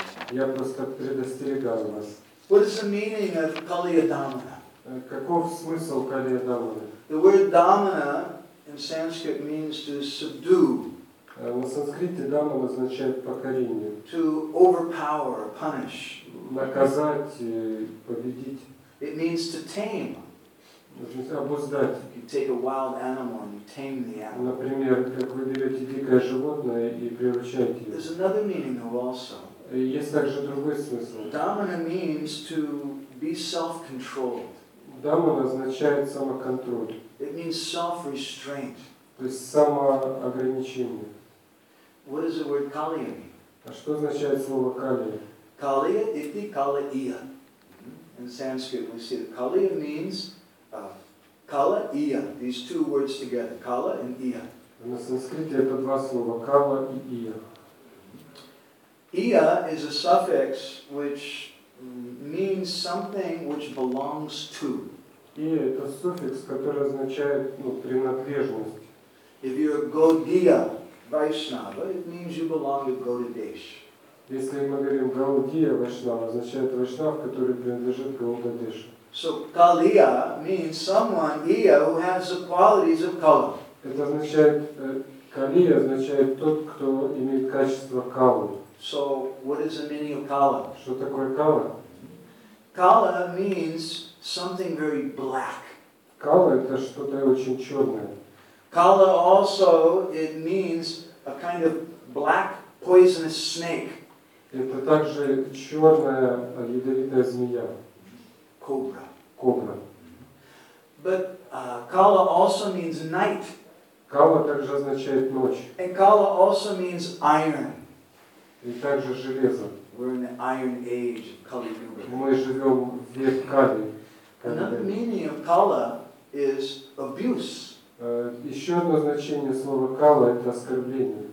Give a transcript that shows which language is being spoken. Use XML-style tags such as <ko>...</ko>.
<ru>Я просто предостерегаю вас.</ru> <en>What is the meaning of Kaliya Damana?</en> <ru>Каков смысл Калия Дамана?</ru> <en>The word Damana in Sanskrit means to subdue.</en> <ru>На санскрите Дамана означает покорение.</ru> <en>To overpower, punish.</en> <ru>Наказать, победить.</ru> <en>It means to tame.</en> <ru>Обуздать.</ru> <en>You take a wild animal and you tame the animal.</en> <ru>Например, как вы берете дикое животное и приручаете его.</ru> <en>There's another meaning though also.</en> <ru>Есть также другой смысл.</ru> <en>Dhamma means to be self-controlled.</en> <ru>Dhamma означает самоконтроль.</ru> <en>It means self-restraint.</en> <ru>То есть самоограничение.</ru> <en>What does the word kaliya mean?</en> <ru>А что означает слово kaliya?</ru> <sa>Kaliya iti kaliya.</sa> <en>In Sanskrit we see that kaliya means kala iya. These two words together, kala and iya.</en> <ru>На санскрите это два слова, kala и iya.</ru> <en>Iya is a suffix which means something which belongs to.</en> <ru>Iya – это суффикс, который означает принадлежность.</ru> <en>If you're Gaudiya Vaishnava, it means you belong to Gaudadesh.</en> <ru>Если мы говорим Gaudiya Vaishnava, означает Vaishnava, который принадлежит Gaudadesh.</ru> <en>So Kaliya means someone, Iya, who has the qualities of Kala.</en> <ru>Это означает, Kaliya означает тот, кто имеет качество Kala.</ru> <en>So, what is the meaning of kala?</en> <ru>Что такое кала?</ru> <en>Kala means something very black.</en> <ru>Кала это что-то очень черное.</ru> <en>Kala also it means a kind of black poisonous snake.</en> <ru>Это также черная ядовитая змея. Кобра. Кобра.</ru> <en>But kala also means night.</en> <ru>Кала также означает ночь.</ru> <en>And kala also means iron.</en> <ru>И также железо.</ru> <en>We're in the Iron Age of Kali Yuga.</en> <ru>Мы живем в век Кали.</ru> <en>Another meaning of Kala is abuse.</en> <ru>Еще одно значение слова Кала это оскорбление.</ru>